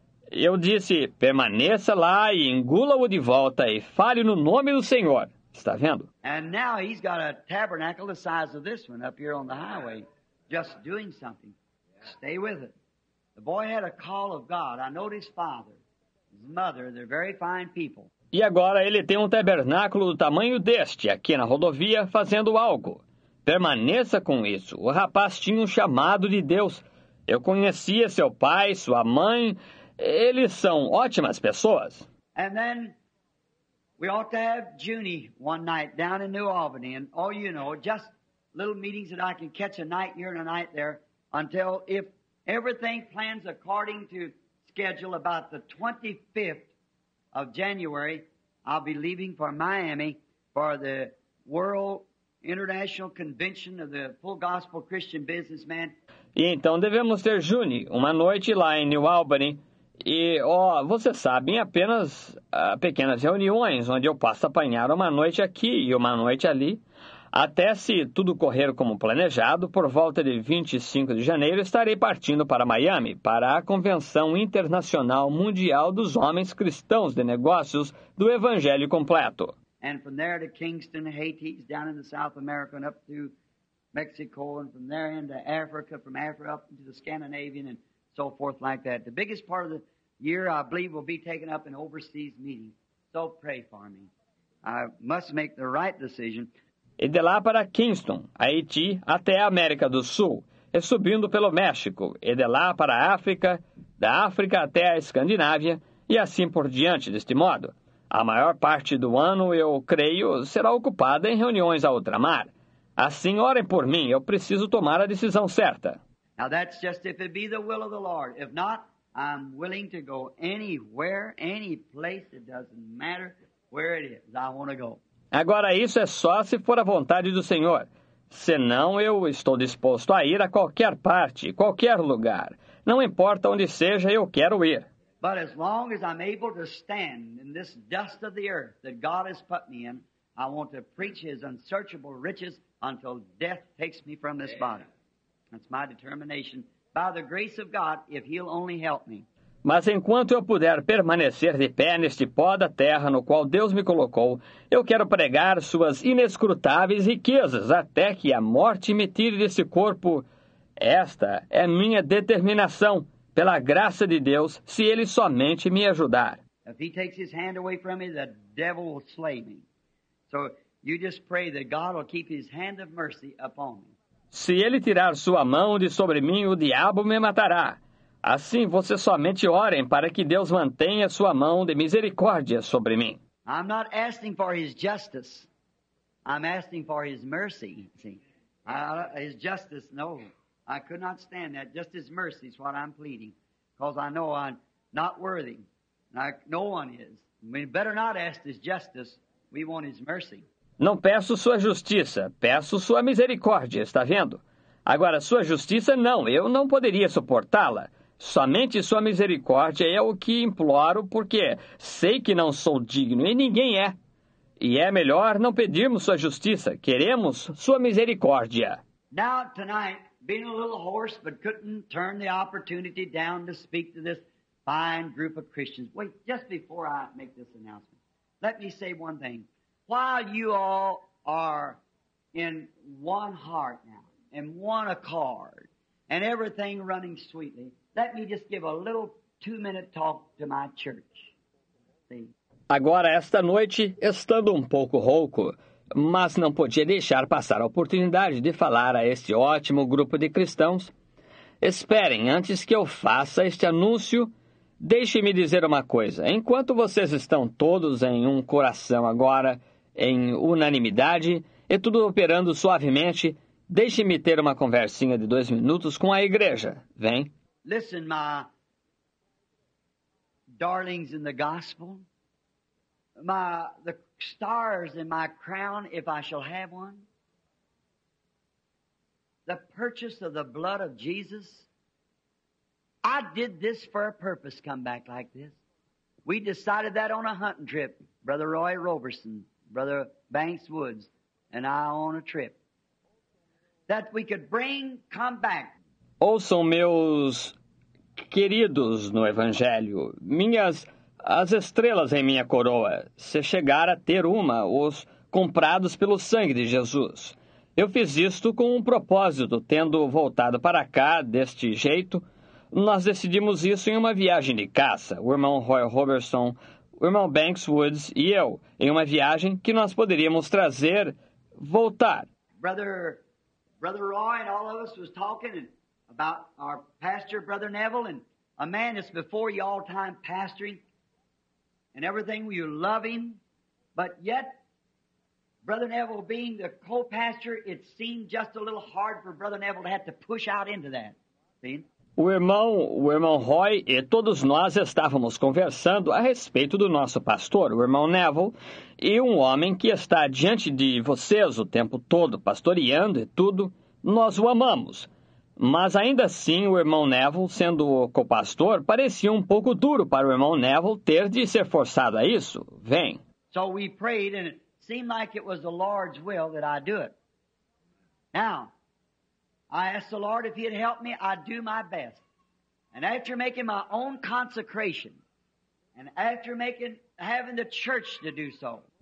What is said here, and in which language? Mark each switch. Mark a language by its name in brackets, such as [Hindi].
[Portuguese] Eu disse, permaneça lá e engula-o de volta e fale no nome do Senhor. Está vendo? [English] And now he's got a tabernacle the size of this one up here on the highway, just doing something. Stay with it. The boy had a call of God. I know his father. His mother, they're very fine people. [Portuguese] E agora ele tem um tabernáculo do tamanho deste, aqui na rodovia, fazendo algo. Permaneça com isso. O rapaz tinha um chamado de Deus. Eu conhecia seu pai, sua mãe. Eles são ótimas pessoas. [English] And then we ought to have Junie one night down in New Albany. And, oh, you know, just little meetings that I can catch a night here and a night there until if everything plans according to schedule about the 25th of January, I'll be leaving for Miami for the World International Convention of the Full Gospel Christian Businessman. [Portuguese] E então devemos ter Juni uma noite lá em New Albany. E, ó, vocês sabem, apenas pequenas reuniões onde eu posso apanhar uma noite aqui e uma noite ali. Até se tudo correr como planejado, por volta de 25 de janeiro estarei partindo para Miami para a Convenção Internacional Mundial dos Homens Cristãos de Negócios do Evangelho Completo. [English] And from there to Kingston, Haiti, down in the South America, and up to Mexico, and from there into Africa, from Africa up into the Scandinavian, and so forth like that. The biggest part of the year, I believe, will be taken up in overseas meetings. So pray for me. I must make the right decision. [Portuguese] E de lá para Kingston, Haiti, até a América do Sul, e subindo pelo México, e de lá para a África, da África até a Escandinávia, e assim por diante, deste modo. A maior parte do ano, eu creio, será ocupada em reuniões a ultramar. Assim, orem por mim, eu preciso tomar a decisão certa. [English] Now that's just if it be the will of the Lord. If not, I'm willing to go anywhere, any place, it doesn't matter where it is, I want to go. [Portuguese] Agora, isso é só se for a vontade do Senhor. Senão, eu estou disposto a ir a qualquer parte, qualquer lugar. Não importa onde seja, eu quero ir. [English] But as long as I'm able to stand in this dust of the earth that God has put me in, I want to preach his unsearchable riches until death takes me from this body. That's my determination. By the grace of God, if he'll only help me. [Portuguese] Mas enquanto eu puder permanecer de pé neste pó da terra no qual Deus me colocou, eu quero pregar suas inescrutáveis riquezas até que a morte me tire desse corpo. Esta é minha determinação. Pela graça de Deus, se ele somente me ajudar. [English] If he takes his hand away from me, the devil will slay me. So you just pray that God will keep his hand of mercy upon me. [Portuguese] Se ele tirar sua mão de sobre mim, o diabo me matará. Assim, você somente orem para que Deus mantenha sua mão de misericórdia sobre mim. [English] I'm not asking for his justice. I'm asking for his mercy, see. His justice, no. I could not stand that. Just his mercy is what I'm pleading. Because I know I'm not worthy. No one is. We better not ask his justice. We want his mercy. [Portuguese] Não peço sua justiça, peço sua misericórdia, está vendo? Agora, sua justiça, não, eu não poderia suportá-la. Somente sua misericórdia é o que imploro, porque sei que não sou digno e ninguém é. E é melhor não pedirmos sua justiça, queremos sua misericórdia. [English] Now, tonight, being a little hoarse, but couldn't turn the opportunity down to speak to this fine group of Christians. Wait, just before I make this announcement, let me say one thing. While you all are in one heart now, in one accord, and everything running sweetly, let me just give a little 2-minute talk to my church. See? [Portuguese] Agora, esta noite, estando pouco rouco, mas não podia deixar passar a oportunidade de falar a este ótimo grupo de cristãos. Esperem, antes que eu faça este anúncio, deixe-me dizer uma coisa. Enquanto vocês estão todos em um coração agora, em unanimidade, e tudo operando suavemente, deixe-me ter uma conversinha de 2 minutos com a igreja. Vem. [English] Listen, my darlings in the gospel. The stars in my crown, if I shall have one. The purchase of the blood of Jesus. I did this for a purpose, come back like this. We decided that on a hunting trip, Brother Roy Roberson, Brother Banks Woods, and I on a trip. That we could bring, come back. [Portuguese] Ouçam, meus queridos no Evangelho, as estrelas em minha coroa, se chegar a ter uma, os comprados pelo sangue de Jesus. Eu fiz isto com um propósito, tendo voltado para cá deste jeito. Nós decidimos isso em uma viagem de caça, o irmão Roy Robertson, o irmão Banks Woods e eu, em uma viagem que nós poderíamos trazer, voltar. [English] Brother Roy and all of us was talking about our pastor, Brother Neville, and a man that's before you all time pastoring. And everything, you love him, but yet, Brother Neville being the co-pastor, it seemed just a little hard for Brother Neville to have to push out into that. See? [Portuguese] O irmão Roy e todos nós estávamos conversando a respeito do nosso pastor, o irmão Neville, e um homem que está diante de vocês o tempo todo, pastoreando e tudo, nós o amamos. Mas ainda assim, o irmão Neville, sendo o copastor, parecia um pouco duro para o irmão Neville ter de ser forçado a isso. Vem. [English] So we prayed, and it seemed like it was the Lord's will that I do it. Now, I asked the Lord if he'd help me, I'd do my best. And after making my own consecration, and after having the church to do so.